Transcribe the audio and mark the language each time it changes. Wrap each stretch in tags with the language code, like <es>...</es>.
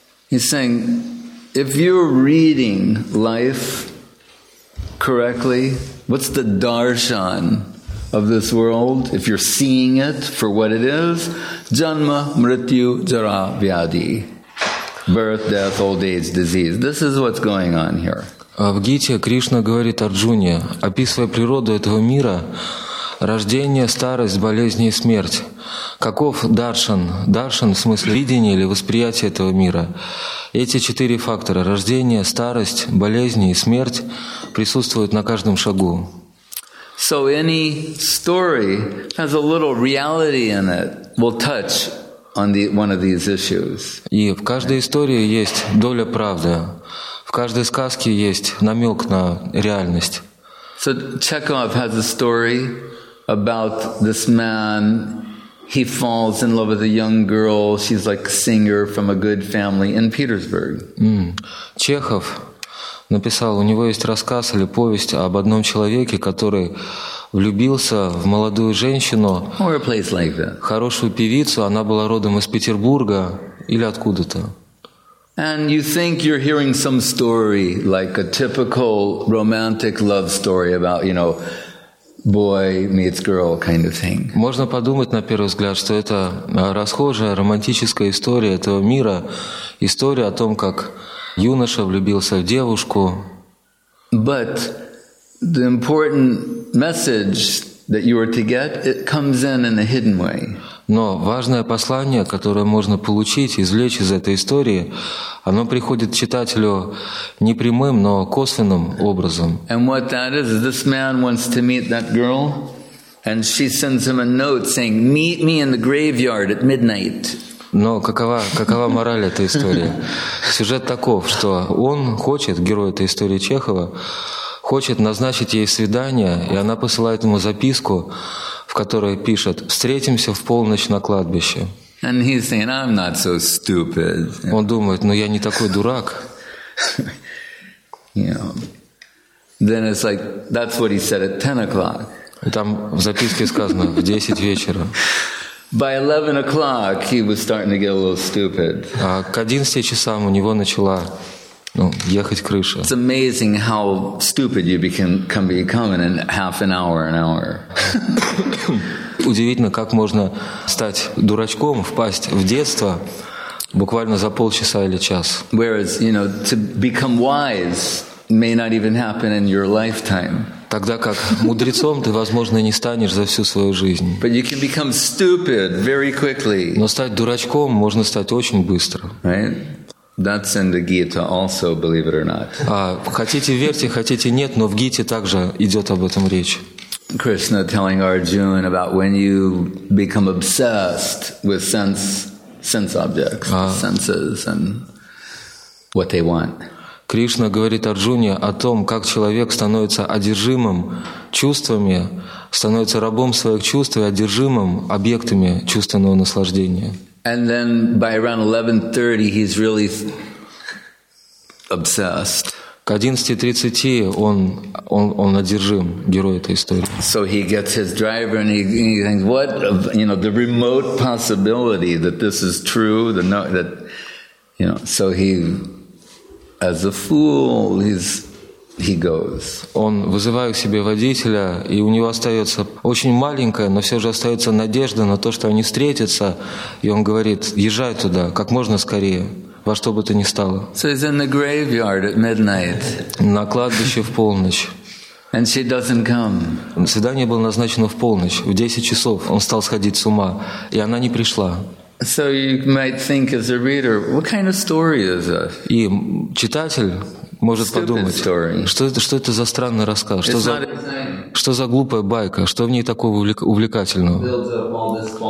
<en>He's saying, if you're reading life correctly, what's the darshan of this world, if you're seeing it for what it is?</en> <sa>Janma, Mrityu, Jara, Vyadi.</sa> <en>Birth, death, old age, disease. This is what's going on here.</en> <ru>В Гите Кришна говорит Арджуне, описывая природу этого мира, рождение, старость, болезни и смерть. Каков даршан? Даршан в смысле видения или восприятия этого мира. Эти четыре фактора – рождение, старость, болезни и смерть – присутствуют на каждом шагу.</ru> <en>So any story has a little reality in it. We'll touch on the, one of these issues.</en> <ru>И в каждой истории есть доля правды. В каждой сказке есть намек на реальность.</ru> <en>So Chekhov has a story about this man. He falls in love with a young girl. She's like a singer from a good family in Petersburg.</en> <ru>Чехов написал, у него есть рассказ или повесть об одном человеке, который влюбился в молодую женщину, хорошую певицу, она была родом из Петербурга или откуда-то.</ru> <en>And you think you're hearing some story, like a typical romantic love story about, you know, boy meets girl kind of thing.</en> <ru>Можно подумать на первый взгляд, что это расхожая романтическая история этого мира, история о том, как юноша влюбился в девушку.</ru> <en>But the important message that you are to get, it comes in a hidden way.</en> <ru>Но важное послание, которое можно получить, извлечь из этой истории, оно приходит читателю не прямым, но косвенным образом.</ru> <en>And what that is this man wants to meet that girl, and she sends him a note saying, "Meet me in the graveyard at midnight."</en> <ru>Но какова мораль этой истории? Сюжет таков, что он хочет, герой этой истории Чехова, хочет назначить ей свидание, и она посылает ему записку, в которой пишет «Встретимся в полночь на кладбище».</ru> <en>And he's saying, I'm not so stupid.</en> <ru>Он думает, ну я не такой дурак.</ru> <en>Then it's like, that's what he said at 10 o'clock.</en> <ru>И там в записке сказано «в 10 вечера».</ru> <en>By 11 o'clock, he was starting to get a little stupid.</en> <ru>К 11 часам у него начала, ну, ехать крыша.</ru> <en>It's amazing how stupid you can become in half an hour.</en> <ru>Удивительно, как можно стать дурачком, впасть в детство буквально за полчаса или час.</ru> <en>Whereas, you know, to become wise may not even happen in your lifetime.</en> <ru>Тогда как мудрецом ты, возможно, не станешь за всю свою жизнь.</ru> <en>But you can become stupid very quickly.</en> <ru>Но стать дурачком можно стать очень быстро.</ru> <en>Right? That's in the Gita also, believe it or not.</en> <ru>Хотите верьте, хотите нет, но в Гите также идет об этом речь.</ru> <en>Krishna telling Arjuna about when you become obsessed with sense objects, senses and what they want.</en> <ru>Кришна говорит Арджуне о том, как человек становится одержимым чувствами, становится рабом своих чувств и одержимым объектами чувственного наслаждения.</ru> <en>And then by around 11:30 he's really obsessed.</en> <ru>К 11:30 он одержим, герой этой истории.</ru> <en>So he gets his driver and he thinks, what, you know, the remote possibility that this is true, that, you know, so he, as a fool, he goes.</en> <ru>Он вызывает к себе водителя, и у него остается очень маленькая, но все же остается надежда на то, что они встретятся. И он говорит: езжай туда как можно скорее, во что бы то ни стало.</ru> <en>So he's in the graveyard at midnight.</en> <ru>На кладбище в полночь.</ru> <en>And she doesn't come.</en> <ru>Свидание было назначено в полночь, в 10 часов. Он стал сходить с ума, и она не пришла.</ru> <en>So you might think as a reader, what kind of story is this?</en> <ru>И читатель может подумать, что это за странный рассказ, что за глупая байка, что в ней такого увлекательного?</ru>